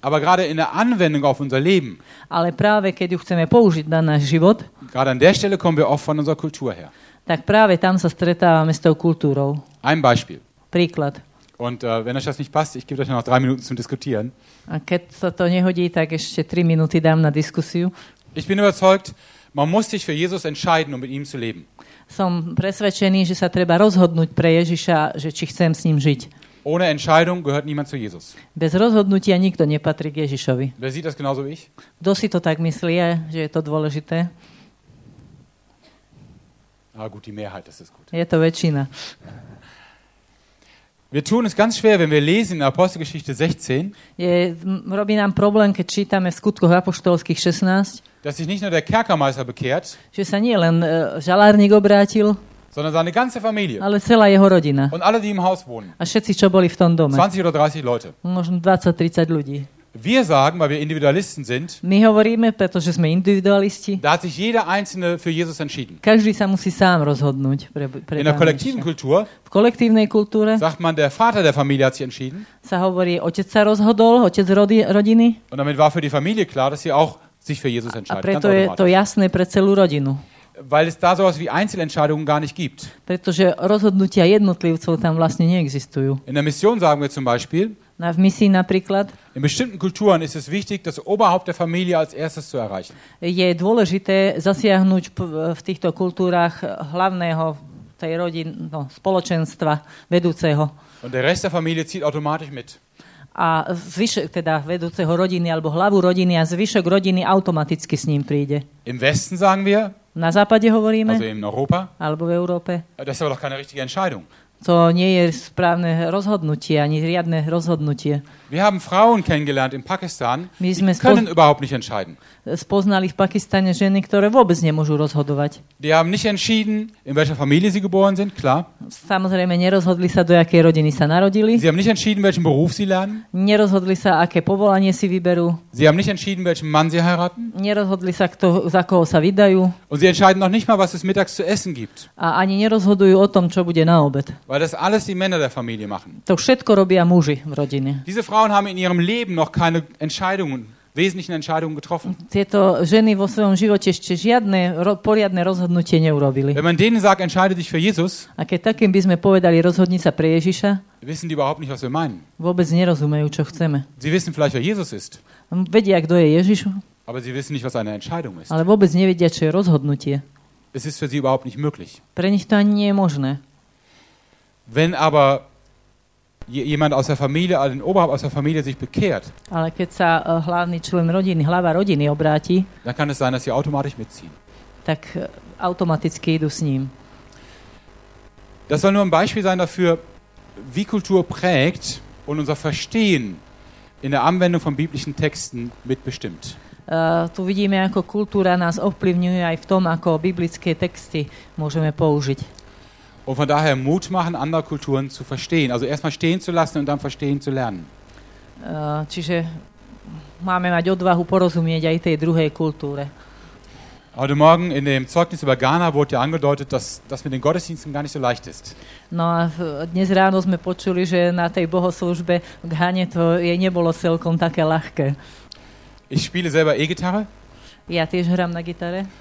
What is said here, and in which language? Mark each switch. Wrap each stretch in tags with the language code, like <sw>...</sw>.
<de>Aber gerade in der Anwendung auf unser Leben.</de> <sk>Ale práve keď ju chceme použiť na náš život.</sk> <de>Gerade an der Stelle kommen wir oft von unserer Kultur her.</de> <sk>Tak práve tam sa stretávame s tou kultúrou.</sk> <de>Ein Beispiel.</de> <sk>Príklad.</sk> <de>Und wenn euch das nicht passt, ich gebe euch noch 3 Minuten zum Diskutieren.</de> <sk>A keď sa to nehodí, tak ešte 3 minúty dám na diskusiu.</sk> <de>Ich bin überzeugt, man muss sich für Jesus entscheiden, um mit ihm zu leben.</de> <sk>Som presvedčený, že sa treba rozhodnúť pre Ježiša, že či chcem s ním žiť.</sk> <de>Ohne Entscheidung gehört niemand zu Jesus.</de> <sk>Bez rozhodnutia nikto nepatrí k Ježišovi.</sk> <de>Wer sieht das genauso wie ich?</de> <sk>Kto si to tak myslí, že je to dôležité?</sk> <de>Ah, gut, die Mehrheit, das ist gut.</de> <sk>Je to väčšina.</sk> <de>Wir tun es ganz schwer, wenn wir lesen in Apostelgeschichte 16.</de> <sk>Je, robí nám problém, keď čítame v Skutkoch apoštolských 16.</sk> <de>Dass sich nicht nur der Kerkermeister bekehrt,</de> <sk>že sa nie len žalárnik obrátil,</sk> <de>sondern seine ganze Familie.</de> <sk>Ale celá jeho rodina.</sk> <de>Und alle, die im Haus wohnen.</de> <sk>A všetci, čo boli v tom dome.</sk> <de>20 oder 30 Leute.</de> <sk>Možno 20-30 ľudí.</sk> <de>Wir sagen, weil wir Individualisten sind.</de> <sk>My hovoríme, pretože sme individualisti.</sk> <de>Da hat sich jeder einzelne für Jesus entschieden.</de> <sk>Každý sa musí sám rozhodnúť pre</sk> <de>in der kollektiven Kultur.</de> <sk>V kolektívnej kultúre.</sk> <de>Sagt man, der Vater der Familie hat sich entschieden.</de> <sk>Sa hovorí, otec sa rozhodol, otec rodiny.</sk> <de>Und damit war für die Familie klar, dass sie auch sich für Jesus entscheiden.</de> <sk>A preto je to jasné pre celú rodinu.</sk> <de>Weil es da sowas wie Einzelentscheidungen gar nicht gibt.</de> <sk>Pretože rozhodnutia jednotlivcov tam vlastne neexistujú.</sk> <de>In der Mission sagen wir zum Beispiel.</de> <sk>Na, v misii napríklad.</sk> <de>In bestimmten Kulturen ist es wichtig, das Oberhaupt der Familie als erstes zu erreichen.</de> <sk>Je dôležité zasiahnuť v týchto kultúrach hlavného tej rodiny, no, spoločenstva vedúceho.</sk> <de>Und der Rest der Familie zieht automatisch mit.</de> <sk>A zvyšok, teda vedúceho rodiny alebo hlavu rodiny a zvyšok rodiny automaticky s ním príde.</sk> <de>Im Westen sagen wir.</de> <sk>Na západe hovoríme.</sk> <de>Also in Europa.</de> <sk>Alebo v Európe.</sk> <de>Das ist aber doch keine richtige Entscheidung.</de> <sk>To nie je správne rozhodnutie, ani riadne rozhodnutie.</sk> <de>Wir haben Frauen kennengelernt in Pakistan, die können überhaupt nicht entscheiden.</de> <sk>Spoznali v Pakistane ženy, ktoré vôbec nemôžu rozhodovať.</sk> <de>Die haben nicht entschieden, in welcher Familie sie geboren sind, klar.</de> <sk>Samozrejme, nerozhodli sa, do jakej rodiny sa narodili.</sk> <de>Sie haben nicht entschieden, welchen Beruf sie lernen.</de> <sk>Nerozhodli sa, aké povolanie si vyberú.</sk> <de>Sie haben nicht entschieden, welchen Mann sie heiraten.</de> <sk>Nerozhodli sa, kto, za koho sa vydajú.</sk> <de>Und sie entscheiden noch nicht mal, was es mittags zu essen gibt.</de> <sk>A ani nerozhodujú o tom, čo bude na obed.</sk> <de>Weil das alles die Männer der Familie machen.</de> <sk>To všetko robia muži v rodine.</sk> <de>Diese Frauen haben in ihrem Leben noch keine Entscheidungen, wesentlichen Entscheidungen getroffen.</de> <sk>Tieto ženy vo svojom živote ešte žiadne poriadne rozhodnutie neurobili.</sk> <de>Wenn man denen sagt, entscheide dich für Jesus,</de> <sk>a keď takým by sme povedali, rozhodni sa pre Ježiša,</sk> <de>wissen die überhaupt nicht, was wir meinen.</de> <sk>Vôbec nerozumejú, čo chceme.</sk> <de>Sie wissen vielleicht, wer Jesus ist.</de> <sk>Vedia, kto je Ježiš.</sk> <de>Aber sie wissen nicht, was eine Entscheidung ist.</de> <sk>Ale vôbec nevedia, čo je rozhodnutie.</sk> <de>Es ist für sie überhaupt nicht möglich.</de> <sk>Pre nich to ani nie je možné.</sk> <de>Wenn aber jemand aus der Familie, also ein Oberhaupt aus der Familie sich bekehrt,</de> <sk>ale keď sa hlavný člen rodiny, hlava rodiny obráti,</sk> <de>dann kann es sein, dass sie automatisch mitziehen.</de> <sk>Tak automaticky idú s ním.</sk> <de>Das soll nur ein Beispiel sein dafür, wie Kultur prägt. und unser Verstehen in der Anwendung von biblischen Texten mitbestimmt.</de> <sk>Tu vidíme, ako kultúra nás ovplyvňuje aj v tom, ako biblické texty môžeme použiť.</sk> <de>Und von daher Mut machen, andere Kulturen zu verstehen. Also erstmal stehen zu lassen und dann verstehen zu lernen.</de> <sk>Čiže máme mať odvahu porozumieť aj tej druhej kultúre.</sk> <de>Heute Morgen in dem Zeugnis über Ghana wurde ja angedeutet, dass das mit den Gottesdiensten gar nicht so leicht ist.</de> <sk>No a dnes ráno sme počuli, že na tej bohoslužbe v Ghane to je nebolo celkom také ľahké.</sk> <de>Ich spiele selber E-Gitarre.</de> <sk>Ja tiež hram na gitare.</sk>